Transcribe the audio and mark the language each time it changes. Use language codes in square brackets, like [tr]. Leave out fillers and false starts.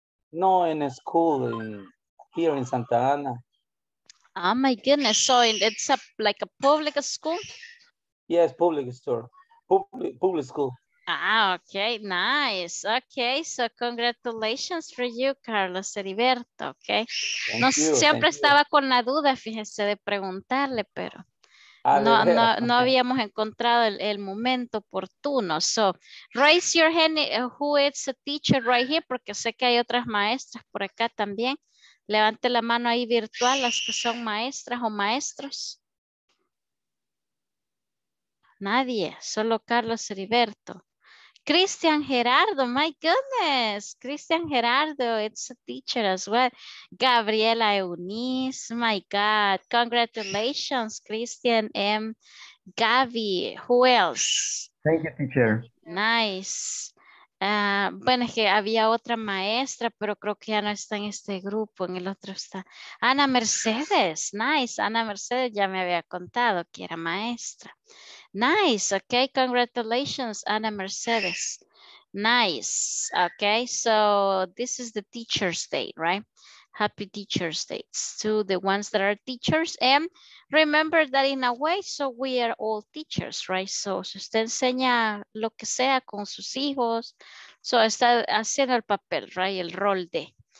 [en] No, in a school here in Santa Ana. Oh my goodness, so it's a, like a public school? Yes, public store, public school. Ah, okay, nice. Okay, so congratulations for you, Carlos Heriberto, okay? [es] No, siempre estaba con la duda, fíjese, de preguntarle, pero no habíamos encontrado el momento oportuno. [en] So, raise your hand, who is a teacher right here, [es] porque sé que hay otras maestras por acá también. Levante la mano ahí virtual, las que son maestras o maestros. Nadie, solo Carlos Heriberto. Cristian Gerardo, [en] my goodness. Cristian Gerardo, it's a teacher as well. Gabriela Eunice, my God. Congratulations, Cristian M. Gaby, who else? Thank you, teacher. Nice. [es] Bueno, es que había otra maestra, pero creo que ya no está en este grupo, en el otro está. Ana Mercedes, nice. Ana Mercedes ya me había contado que era maestra. [en] Nice, okay, congratulations, Ana Mercedes. Nice, okay, so this is the Teacher's Day, right? Happy Teacher's Day to the ones that are teachers. And remember that in a way, so we are all teachers, right? [es] So si usted enseña lo que sea con sus hijos, so está haciendo el papel, right? El rol de.